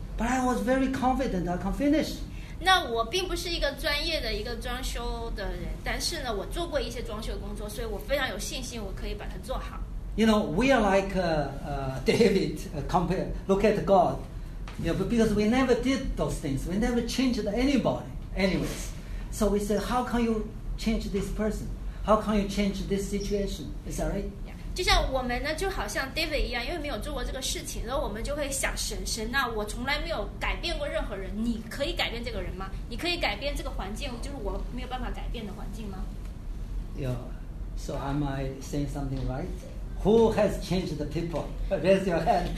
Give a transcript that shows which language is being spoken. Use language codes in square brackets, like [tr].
[en] But I was very confident I can finish. [zh] 那我并不是一个专业的一个装修的人，但是呢，我做过一些装修工作，所以我非常有信心，我可以把它做好。 [en] You know, we are like David. Look at God. You know, because we never did those things, we never changed anybody. Anyways, so we said, how can you change this person? How can you change this situation? Is that right? Yeah. [zh] 就像我们呢，就好像 David 一样，因为没有做过这个事情，然后我们就会想神呐、啊，我从来没有改变过任何人。你可以改变这个人吗？你可以改变这个环境，就是我没有办法改变的环境吗 [en] ？Yeah. So am I saying something right? Who has changed the people? Raise your hand.